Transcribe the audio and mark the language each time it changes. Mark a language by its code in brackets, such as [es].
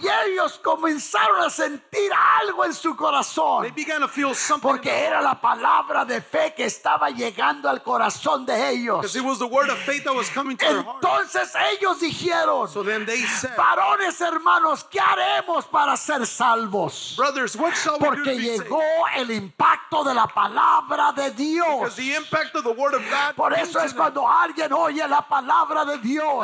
[es] Christ. Y ellos comenzaron a sentir algo en su corazón. [en] They began to feel something. [es] Porque era la palabra de fe que estaba llegando al corazón de ellos. [en] Because it was the word of faith that was coming to [es] entonces [en] their heart. [es] Ellos dijeron, [en] so then they said, [es] varones hermanos, ¿qué haremos para ser salvos? [en] Brothers, what shall we [es] porque [en] do to [es] llegó [en] be saved? [es] El impacto de la palabra de Dios. [en] Because the impact of the word of God. [es] Por eso es cuando alguien oye la palabra de Dios.